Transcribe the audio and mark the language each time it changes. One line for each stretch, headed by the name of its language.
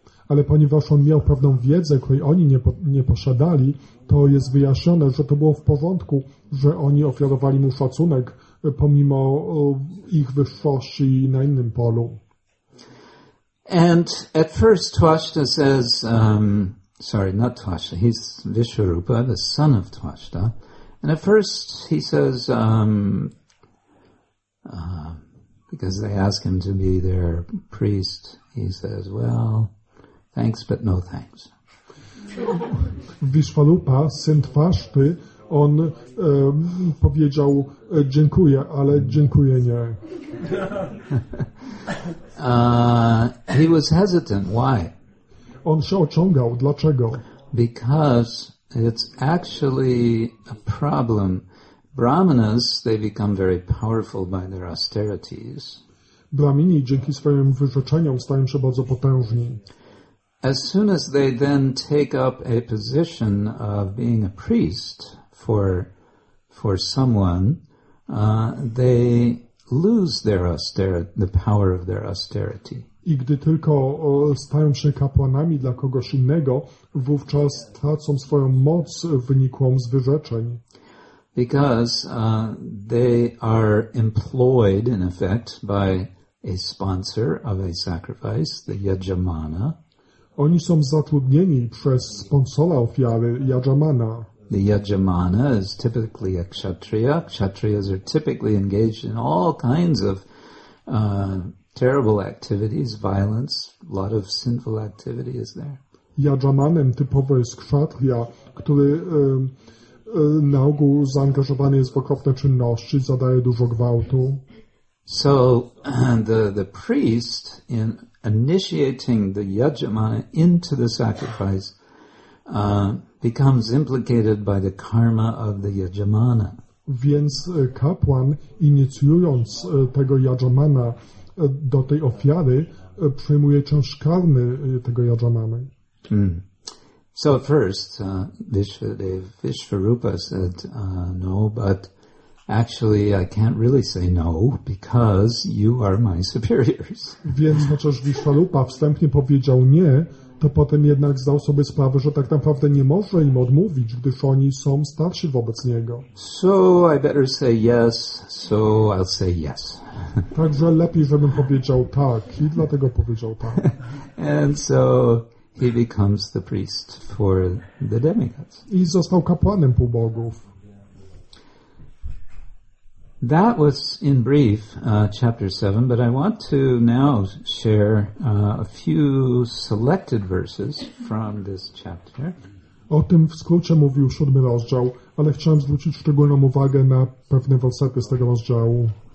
Polish: Ale ponieważ on miał pewną wiedzę, której oni nie posiadali, to jest wyjaśnione, że to było w porządku, że oni ofiarowali mu szacunek pomimo ich wyższości na innym polu.
English: And at first Tvashta says, sorry, not Tvashta, he's Vishwarupa, the son of Tvashta. And at first he says, because they ask him to be their priest, he says, well, thanks, but no thanks.
Polish: Vishwarupa, syn Tvashty, on powiedział, dziękuję, ale dziękuję nie.
English: He was hesitant. Why?
Polish: On się ociągał. Dlaczego?
English: Because it's actually a problem. Brahmanas, they become very powerful by their austerities.
Polish: Brahmini dzięki swoim wyrzeczeniom stają się bardzo potężni.
English: As soon as they then take up a position of being a priest for someone, they lose their austerity, the power of their austerity.
Polish: I gdy tylko stają się kapłanami dla kogoś innego, wówczas tracą swoją moc wynikłą z wyrzeczeń.
English: Because they are employed, in effect, by a sponsor of a sacrifice, the yajamana.
Polish: Oni są zatrudnieni przez sponsora ofiary, yajamana.
English: The yajamana is typically a kshatriya. Kshatriyas are typically engaged in all kinds of terrible activities, violence. A lot of sinful activity is there.
Polish: Yajamanem typowo jest kshatriya, który na ogół zaangażowany jest w okropne czynności, zadaje dużo gwałtu.
English: So the priest in initiating the yajamana into the sacrifice becomes implicated by the karma of the yajamana.
Polish: Więc kapłan, inicjując tego yajamana do tej ofiary, przyjmuje część karmy tego yajamana.
English: So at first, Vishwarupa said, no, but actually I can't really say no, because you are my superiors.
Polish: Więc chociaż Vishwarupa wstępnie powiedział nie, to potem jednak zdał sobie sprawę, że tak naprawdę nie może im odmówić, gdyż oni są starsi wobec niego.
English: So I better say yes, so I'll say yes.
Polish: Także lepiej, żebym powiedział tak, i dlatego powiedział tak.
English: And so he becomes the priest for the demigods.
Polish: I został kapłanem półbogów.
English: That was in brief chapter 7, but I want to now share a few selected verses from this chapter.
Polish: O tym w skrócie mówił siódmy rozdział, ale chciałem zwrócić szczególną uwagę na pewne wersety z tego rozdziału.